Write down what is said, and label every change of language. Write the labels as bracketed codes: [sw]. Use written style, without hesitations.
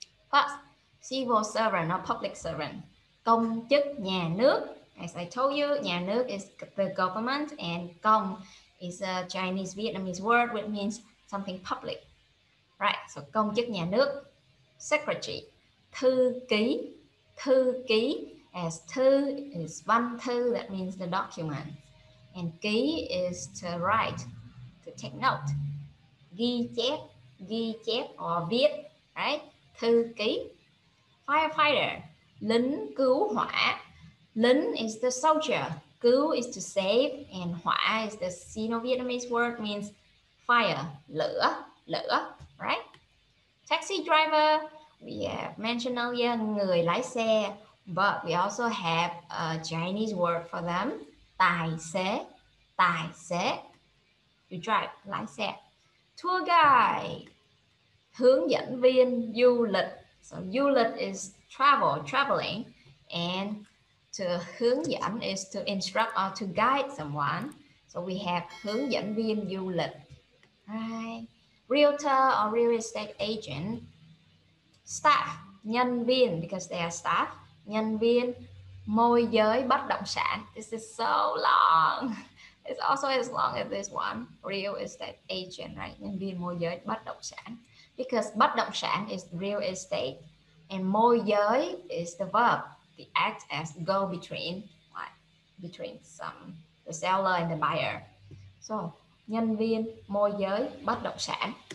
[en] First, civil servant or public servant, công chức nhà nước. As I told you, nhà nước is the government and công is a Chinese Vietnamese word which means something public. Right, so công chức nhà nước, secretary, thư ký, as thư is văn thư, that means the document. And ký is to write, to take note. [vi] Ghi chép or viết, right? Thư ký. Firefighter, lính cứu hỏa. [en] Lính is the soldier, cứu is to save, and hỏa is the Sino-Vietnamese word means fire, lửa, lửa, right? Taxi driver, we have mentioned earlier, người lái xe, but we also have a Chinese word for them, tài xế, you drive, lái xe. [vi] Tour guide, hướng dẫn viên du lịch. [en] So du lịch is travel, traveling. And to hướng dẫn is to instruct or to guide someone. [vi] So we have hướng dẫn viên du lịch. Right. [en] Realtor or real estate agent. Staff, nhân viên, because they are staff. [vi] Nhân viên, môi giới bất động sản. [en] This is so long. It's also as long as this one. Real estate agent, right? [vi] Nhân viên môi giới bất động sản. [en] Because bất động sản is real estate and môi giới is the verb, the act as go between, like, between some, the seller and the buyer. [vi] So, nhân viên môi giới bất động sản.